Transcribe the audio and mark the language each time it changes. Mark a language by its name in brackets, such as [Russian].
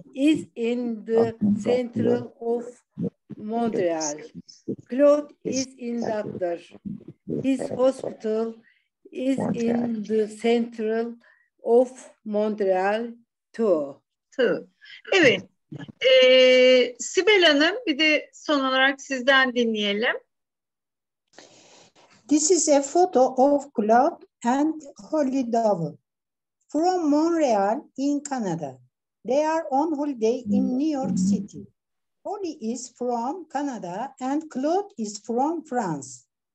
[English] is in the center of Montreal. Claude is in doctor. His hospital is in the center of Montreal too. [Turkish] Evet. Sibel Hanım, bir de son olarak sizden dinleyelim. [English] This is a photo of Claude and Holly Duell from Montreal in Canada. They are on holiday in New York City. Holly is from Canada and Claude is from France.